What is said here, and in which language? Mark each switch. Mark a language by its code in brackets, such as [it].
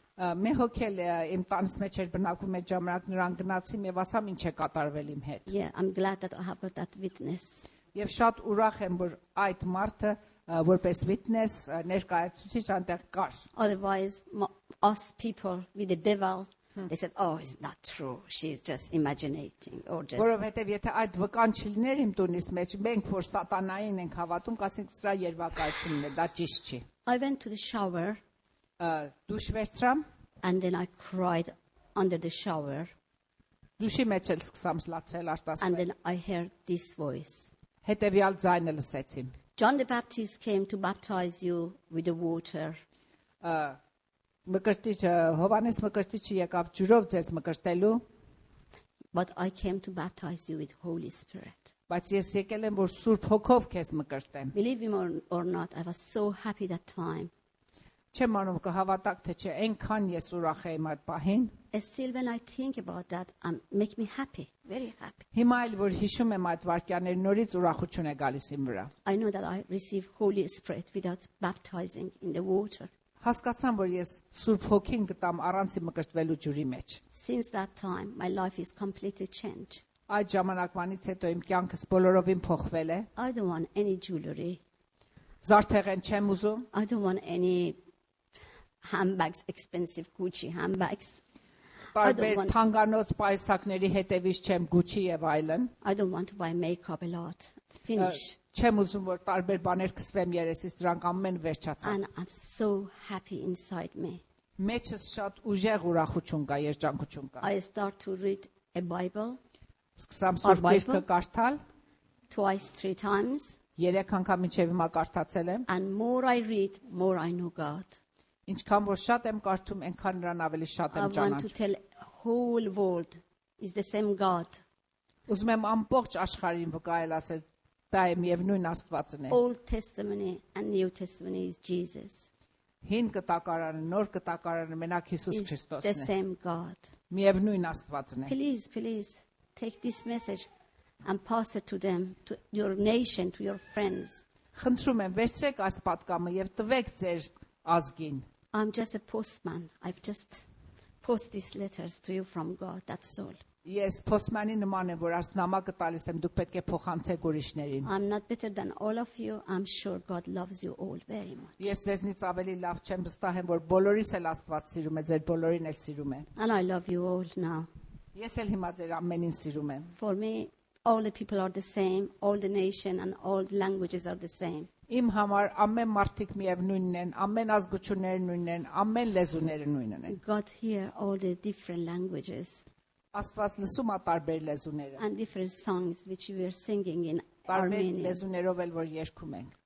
[hy] Մե հոգել իմ տանս մեջ էր բնակվում այդ ժամանակ նրան գնացիմ եւ ասամ ինչ է կատարվել իմ հետ։ [en] Yeah, I'm glad that I have got that witness. [hy] Եվ շատ ուրախ եմ որ այդ մարդը որպես witness ներկայացուցիչ այնտեղ կար։ [en] Otherwise us people with the devil they said oh it's not true she's just imagining or just [hy] Որովհետև եթե այդ վկան չլիներ իմ տունիս մեջ մենք որ սատանային ենք հավատում կասենք սա երևակայությունն է դա ճիշտ չի [en] I went to the shower [hy] դուշ վերցրամ [en] and then I cried under the shower [hy] Դուշի մեջ էլ սկսամ լացել արտասվել [en] and then I heard this voice [hy] Հետևյալ ձայնը լսեցի [en] John the Baptist came to baptize you with the water [hy] Մկրտիչ Հովանես Մկրտիչը եկավ ջրով ձեզ մկրտելու [en] But I came to baptize you with Holy Spirit. [hy] Բայց ես եկել եմ որ Սուրբ Հոգով քեզ մկրտեմ. [en] Believe me or not I was so happy that time. [hy] Չեմ անում կհավատակ թե չէ այնքան ես ուրախ եմ այդ պահին. [en] Still when I think about that I'm make me happy, very happy. [hy] Հիմա էլ որ հիշում եմ այդ վարքյաներ նորից ուրախություն է գալիս իմ վրա. [en] I know that I receive Holy Spirit without baptizing in the water. [hy] Հասկացան որ ես Սուրբ Հոգին գտամ առանց մկրտվելու ջրի մեջ։ [en] Since that time my life is completely changed. [hy] Այդ ժամանակվանից հետո իմ կյանքը բոլորովին փոխվել է։ [en] I don't want any jewelry. [hy] Զարդեղեն չեմ ուզում։ [en] I don't want any handbags, expensive Gucci handbags. [hy] Բայց թանկանոց պայուսակների հետևից չեմ Gucci եւ այլն։ [en] I don't want to buy makeup a lot. Finish. [hy] Չեմ ուզում որ տարբեր բաներ կսվեմ երեսից դրանք ամեն վերջացած։ [en] And I'm so happy inside me. [hy] Մեջս շատ ուժեղ ուրախություն կա, երջանկություն կա։ [en] I start to read a Bible. [hy] Սկսամ Սուրբ Գիրքը կարդալ։ [en] Twice, three times. [hy] Երեք անգամ միջև հիմա կարդացել եմ։ [en] And more I read, more I know God. [hy] Ինչքան որ շատ եմ կարդում, այնքան նրան ավելի շատ եմ ճանաչում։ [en] I want to tell whole world is the same God. [hy] Ուզում եմ ամբողջ աշխարհին վկայել ասել Դայմ եւ նույն Աստվածն է։ [en] Old Testament and New Testament is Jesus. [hy] Հին կտակարանը, նոր կտակարանը մենակ Հիսուս Քրիստոսն է։ [en] The same God. [hy] Միևնույն Աստվածն է։ [en] Please, please take this message and pass it to them, to your nation, to your friends. [hy] Խնդրում եմ, վերցրեք այս պատգամը եւ տվեք ձեր ազգին։ [en] I'm just a postman. I've just post these letters to you from God. That's all. [hy] Ես postman-ի նման եմ, որ աս նամակը տալիս եմ, դուք պետք է փոխանցեք ուրիշներին։ [en] I'm not better than all of you. I'm sure God loves you all very much. [hy] Ես ձեզնից ավելի լավ չեմ, վստահ եմ, որ բոլորիս էլ Աստված սիրում է, ձեր բոլորին էլ սիրում է։ [en] And I love you all now. [hy] Ես էլ հիմա ձեր ամենին սիրում եմ։ [en] For me, all the people are the same, all the nation and all the languages are the same. [hy] Իմ համար ամեն մարդիկ միևնույնն են, ամեն ազգությունները նույնն են, ամեն լեզուները նույնն են։ [en] God hear all the different languages. [hy] Աստված լսում է տարբեր լեզուները։ [en] And different songs which we are singing in Armenian. [hy] Տարբեր լեզուներով էլ որ երգում ենք։